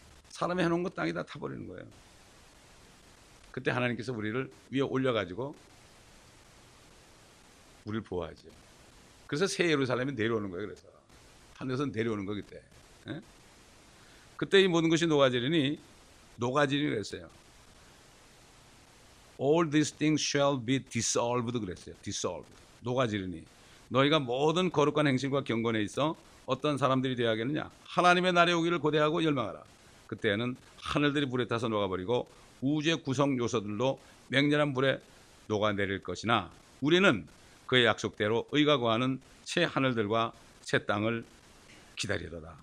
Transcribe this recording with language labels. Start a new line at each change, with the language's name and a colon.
Korean: 사람이 해놓은 것 땅이 다 타버리는 거예요. 그때 하나님께서 우리를 위에 올려가지고 우리를 보호하죠. 그래서 새 예루살렘이 내려오는 거예요. 그래서 하늘에서 내려오는 거기 때. 그때 이 모든 것이 녹아지리니 녹아지리랬어요.
English: All these things shall be dissolved 그랬어요. Dissolved.
Korean: 녹아지리니 너희가 모든 거룩한 행실과 경건에 있어 어떤 사람들이 되어야겠느냐? 하나님의 날이 오기를 고대하고 열망하라. 그때에는 하늘들이 불에 타서 녹아버리고 우주의 구성 요소들도 맹렬한 불에 녹아내릴 것이나 우리는 그의 약속대로 의가 구하는 새 하늘들과 새 땅을 기다리도다.